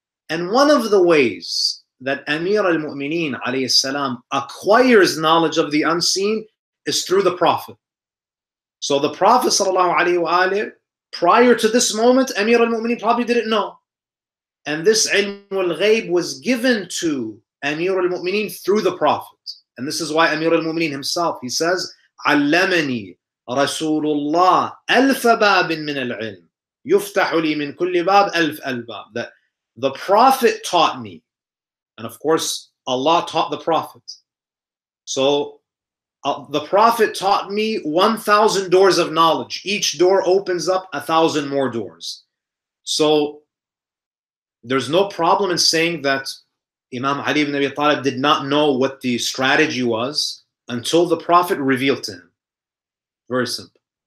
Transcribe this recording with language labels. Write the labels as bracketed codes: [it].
[en] And one of the ways that Amir al-Mu'mineen alayhi salam acquires knowledge of the unseen is through the Prophet. So the Prophet sallallahu alayhi wa alayhi, prior to this moment, Amir al-Mu'mineen probably didn't know. And this ilm al-ghayb was given to Amir al-Mu'mineen through the Prophet. And this is why Amir al-Mu'mineen himself, he says, [ar] عَلَّمَنِي رَسُولُ اللَّهِ أَلْفَ بَابٍ مِنَ الْعِلْمِ يُفْتَحُ لِي مِنْ كُلِّ بَابٍ أَلْفَ الْبَابٍ. [en] That the Prophet taught me. And of course, Allah taught the Prophet. So the Prophet taught me 1,000 doors of knowledge. Each door opens up 1,000 more doors. So there's no problem in saying that Imam Ali ibn Abi Talib did not know what the strategy was until the Prophet revealed to him. Very simple.